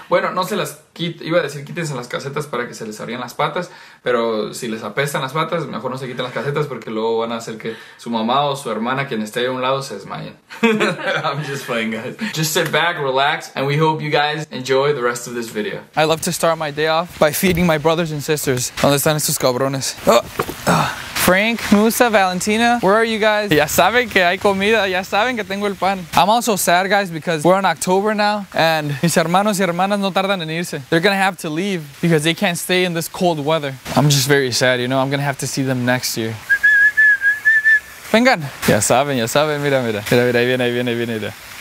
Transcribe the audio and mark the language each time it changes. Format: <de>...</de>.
<es>Bueno, no se las quite, iba a decir quítense las calcetas para que se les abrían las patas, pero si les apestan las patas, mejor no se quiten las calcetas porque luego van a hacer que su mamá o su hermana, quien esté a un lado, se desmayen.</es> <en>I'm just playing, guys. Just sit back, relax, and we hope you guys enjoy the rest of this video. I love to start my day off by feeding my brothers and sisters.</en> <es>¿Dónde están estos cabrones?</es> <en>Oh, Frank, Musa, Valentina, where are you guys?</en> <es>Ya saben que hay comida, ya saben que tengo el pan.</es> <en>I'm also sad, guys, because we're in October now, and</en> <es>mis hermanos y hermanas no tardan en irse.</es> <en>They're gonna have to leave because they can't stay in this cold weather. I'm just very sad, you know? I'm gonna have to see them next year.</en> <es>Vengan. Ya saben, mira, mira. Mira, mira, ahí viene, mira.</es>